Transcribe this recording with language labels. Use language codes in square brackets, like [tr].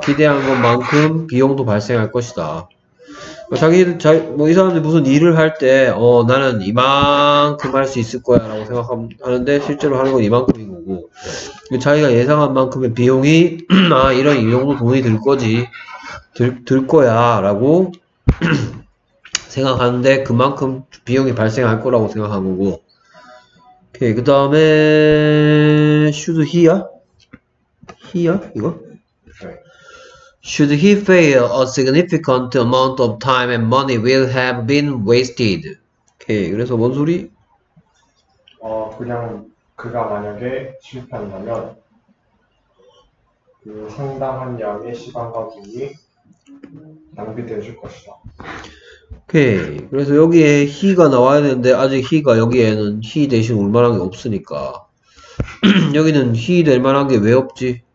[ko] 기대한 것만큼 비용도 발생할 것이다. 뭐이 사람들이 무슨 일을 할 때, 나는 이만큼 할수 있을 거야 라고 생각하는데, 실제로 하는 건 이만큼인 거고, 자기가 예상한 만큼의 비용이, 아, 이런 이 정도 돈이 들 거지, 들 거야 라고 생각하는데, 그만큼 비용이 발생할 거라고 생각한 거고, 오케이, 그 다음에, [en] should he [ko] 야? he야? 이거? [en] Should he fail, a significant amount of time and money will have been wasted. [ko] 오케이, 그래서 뭔 소리? 그냥 그가 만약에 실패한다면 그 상당한 양의 시간과 돈이 낭비되어질 것이다. 오케이, 그래서 여기에 he가 나와야 되는데 아직 he가 여기에는 he 대신 올 만한 게 없으니까 여기는 he 될 만한 게왜 없지?